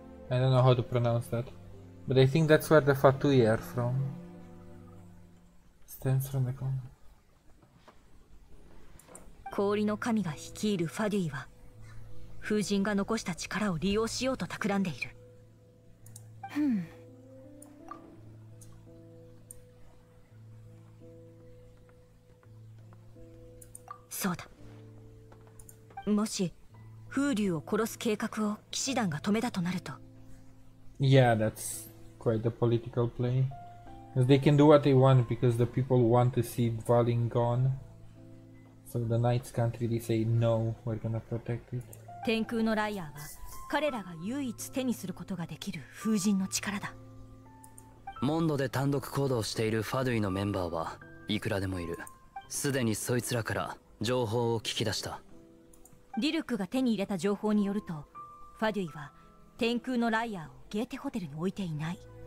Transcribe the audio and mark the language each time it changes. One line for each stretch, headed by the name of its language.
English: I don't know how to pronounce that, but I think that's where the Fatui are from. Stems from the con.
Japanese: 氷の神が率いるファデュイは、風神が残した力を利用しようと企んでいる。そうだ。もし風流を殺す計画を騎士団が止めたとなると、
English: Yeah, that's quite a political play. They can do what they want because the people want to see Valin gone. So the Knights can't really say no, we're gonna protect it.
Japanese: 天空のライアーは彼らが唯一手にすることができる風神の力だ。モンドで単独行動しているファドゥイのメンバーはいくらでもいる。すでにそいつらから情報を聞き出した。ディルクが手に入れた情報によると、ファデュイは天空のライアーをゲーテホテルに置いていない。